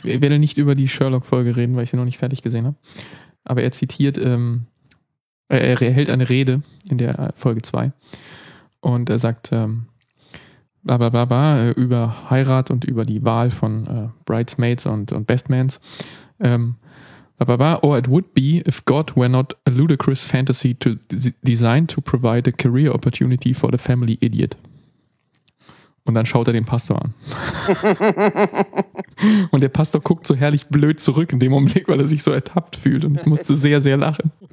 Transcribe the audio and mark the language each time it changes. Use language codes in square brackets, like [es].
[de] Ich werde nicht über die Sherlock-Folge reden, weil ich sie noch nicht fertig gesehen habe. Aber er zitiert... er hält eine Rede in der Folge 2. Und er sagt über Heirat und über die Wahl von Bridesmaids und Bestmans. [en] Or it would be if God were not a ludicrous fantasy designed to provide a career opportunity for the family idiot. [de] Und dann schaut er den Pastor an. Und der Pastor guckt so herrlich blöd zurück in dem Augenblick, weil er sich so ertappt fühlt. Und ich musste sehr, sehr lachen.